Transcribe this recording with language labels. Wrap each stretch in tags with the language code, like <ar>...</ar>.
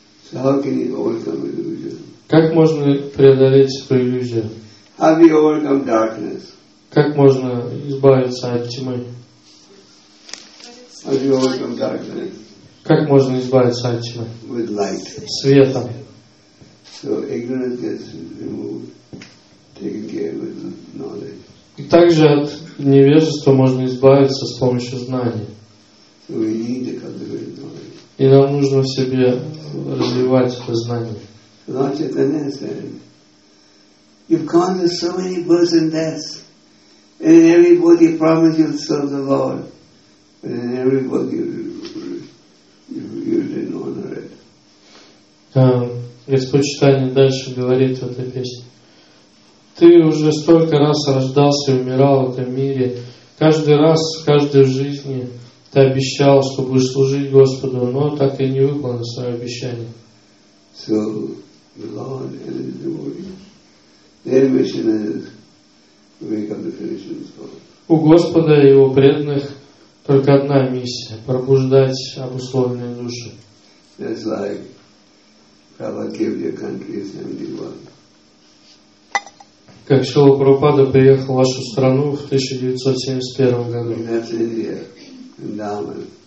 <en>So how can you overcome illusion?</en> <ru>Как можно преодолеть эту иллюзию?</ru> <en>How do you overcome darkness?</en> <ru>Как можно избавиться от тьмы?</ru> <en>How do you overcome darkness?</en> <ru>Как можно избавиться от тьмы?</ru> <en>With light.</en> <ru>Светом.</ru> <en>So ignorance gets removed, taken care of with knowledge.</en> <ru>И также от невежества можно избавиться с помощью знаний.</ru> <en>So we need to cultivate knowledge.</en> <ru>И нам нужно в себе развивать это знание.</ru> <en>Lord Chaitanya said, you've gone through so many births and deaths. And in every birth you promise you'll serve the Lord. But in every birth you didn't honor it.</en> <ru>Господь Читания дальше говорит в этой песне. Ты уже столько раз рождался и умирал в этом мире. Каждый раз, в каждой жизни ты обещал, что будешь служить Господу, но так и не выполнил свое обещание.</ru> <en>So, the Lord and his devotees, their mission is to wake up the finishing soul.</en> <ru>У Господа и его преданных только одна миссия – пробуждать обусловленные души.</ru> <en>That's like Prabhupada gave your country 71.</en> <ru>Как Шрила Прабхупада приехал в вашу страну в 1971 году.</ru>